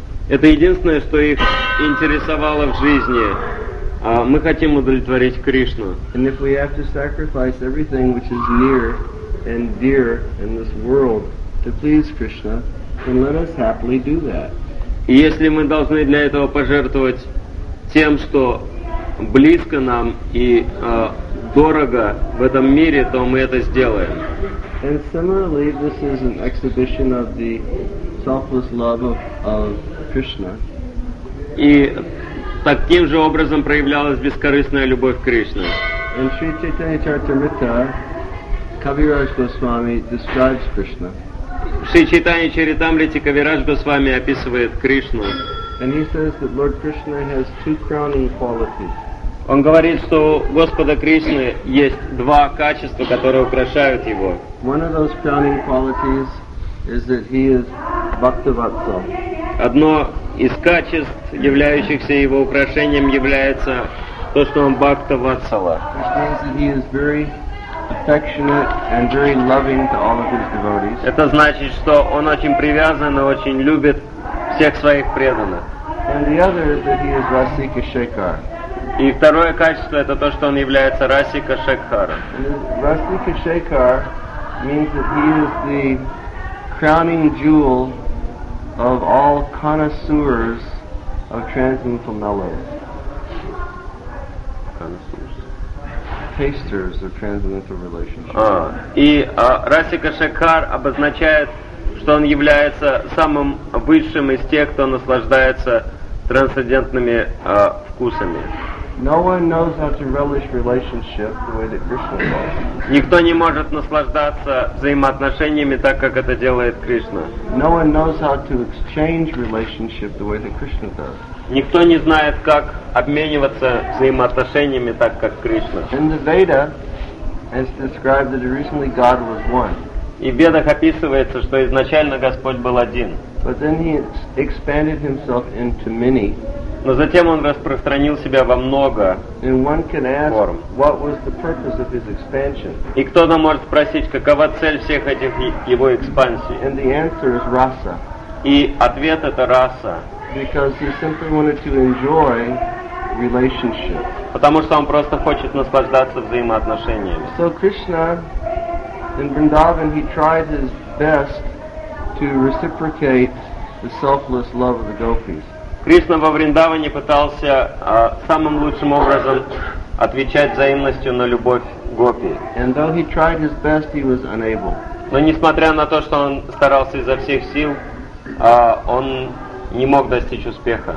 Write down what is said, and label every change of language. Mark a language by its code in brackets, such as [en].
[ru] Это единственное, что их интересовало в жизни. Мы хотим удовлетворить Кришну. [en] And if we have to sacrifice everything which is near and dear in this world to please Krishna, then let us happily do that. [ru] И если мы должны для этого пожертвовать тем, что близко нам и дорого в этом мире, то мы это сделаем. [en] And similarly, this is an exhibition of the selfless love of Krishna. [ru] И таким же образом проявлялась бескорыстная любовь к Кришне. [en] In Sri Chaitanya Charitamrita, Kaviraj Goswami describes Krishna. [ru] Шри Чайтанья Чаритамрите Кавирадж Госвами описывает Кришну. [en] And he says that Lord Krishna has two crowning qualities. [ru] Он говорит, что у Господа Кришны есть два качества, которые украшают его. [en] One of those crowning qualities is that he is bhakti-vatsa. [ru] Одно из качеств, являющихся его украшением, является то, что он бхакта-ватсала. [en] Which means that he is very affectionate and very loving to all of his devotees. [ru] Это значит, что он очень привязан и очень любит всех своих преданных. [en] And the other is that he is rasika shekhar. [ru] И второе качество — это то, что он является расика шекхара. [en] Rasika shekhar means that he is the crowning jewel of all connoisseurs of transcendental mellows. Tasters of transcendental relationships. [ru] И Расика Шекхар обозначает, что он является самым высшим из тех, кто наслаждается трансцендентными вкусами. [en] No one knows how to relish relationship the way that Krishna does. [ru] Никто не может наслаждаться взаимоотношениями так, как это делает Кришна. [en] No one knows how to exchange relationship the way that Krishna does. [ru] Никто не знает, как обмениваться взаимоотношениями так, как Кришна. [en] In the Veda, it's described that originally God was one. [ru] И в Ведах описывается, что изначально Господь был один. [en] But then he expanded himself into many. [ru] Но затем он распространил себя во много форм. [en] What was the purpose of his expansion? [ru] И кто-то может спросить, какова цель всех этих его экспансий? [en] And the answer is rasa. [ru] И ответ — это раса. [en] Because he simply wanted to enjoy relationships. [ru] Потому что он просто хочет наслаждаться взаимоотношениями. [en] So Krishna in Vrindavan, he tried his best to reciprocate the selfless love of the gopis. [ru] Кришна во Вриндаване пытался самым лучшим образом отвечать взаимностью на любовь гопи. [en] And though he tried his best, he was unable. [ru] Но несмотря на то, что он старался изо всех сил, он не мог достичь успеха.